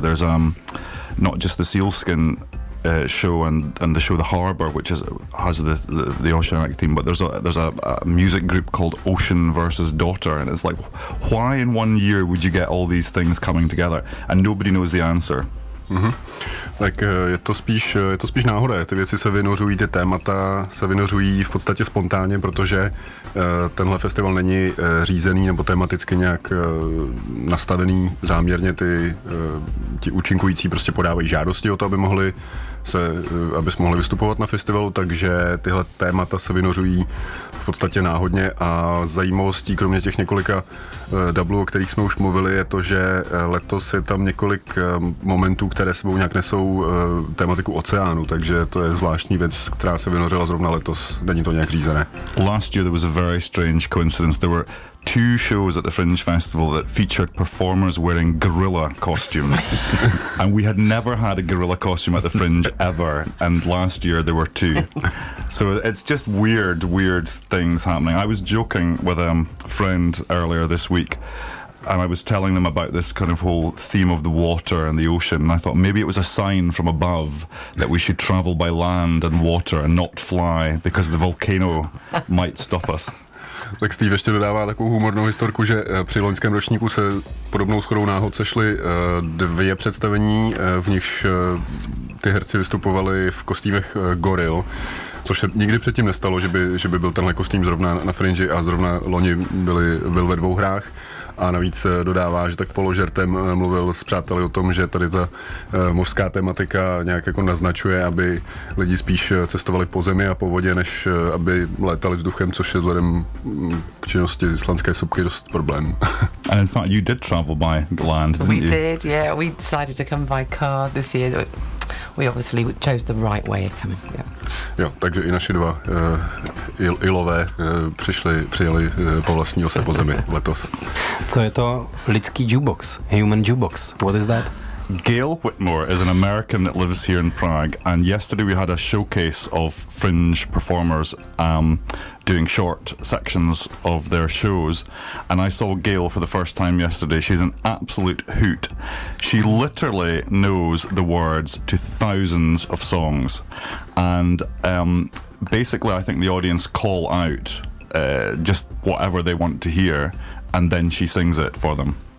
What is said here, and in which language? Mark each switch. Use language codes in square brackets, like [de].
[en] There's not just the sealskin show and the show The Harbour, which has the oceanic theme, but there's a music group called Ocean Versus Daughter, and it's like, why in one year would you get all these things coming together? And nobody knows the answer. [cs] Mm-hmm. Tak je to spíš náhoda. Ty věci se vynořují, ty témata se vynořují v podstatě spontánně, protože tenhle festival není řízený nebo tematicky nějak nastavený záměrně. Ti účinkující prostě podávají žádosti o to, aby mohli vystupovat na festivalu, takže tyhle témata se vynořují v podstatě náhodně. A zajímavostí, kromě těch několika dublů, o kterých jsme už mluvili, je to, že letos je tam několik momentů, které sebou nějak nesou tématiku oceánu, takže to je zvláštní věc, která se vynořila zrovna letos. Není to nějak řízené. [en] Last year there was a very strange coincidence. There were two shows at the Fringe Festival that featured performers wearing gorilla costumes. And we had never had a gorilla costume at the Fringe ever, and last year there were two. So it's just weird, weird things happening. I was joking with a friend earlier this week, and I was telling them about this kind of whole theme of the water and the ocean, and I thought maybe it was a sign from above that we should travel by land and water and not fly, because the volcano might stop us. [cs] Tak Steve ještě dodává takovou humornou historku, že při loňském ročníku se podobnou shodou náhod sešly dvě představení, v nichž ty herci vystupovali v kostýmech goril, což se nikdy předtím nestalo, že by byl tenhle kostým zrovna na Fringe a zrovna loni byl ve dvou hrách. A navíc dodává, že tak položertem mluvil s přáteli o tom, že tady ta mořská tematika nějak jako naznačuje, aby lidi spíš cestovali po zemi a po vodě, než aby létali vzduchem, což je vzhledem k činnosti islandské sopky dost problém. [en] And in fact, you did travel by land, didn't you? We did, yeah. We decided to come by car this year. We obviously chose the right way of coming. Yeah. [cs] Jo, takže i naši dva ilové přijeli po vlastní ose po zemi letos. Co je to lidský jukebox? [en] Human jukebox. What is that? Gail Whitmore is an American that lives here in Prague, and yesterday we had a showcase of Fringe performers doing short sections of their shows, and I saw Gail for the first time yesterday. She's an absolute hoot. She literally knows the words to thousands of songs, and basically I think the audience call out just whatever they want to hear, and then she sings it for them.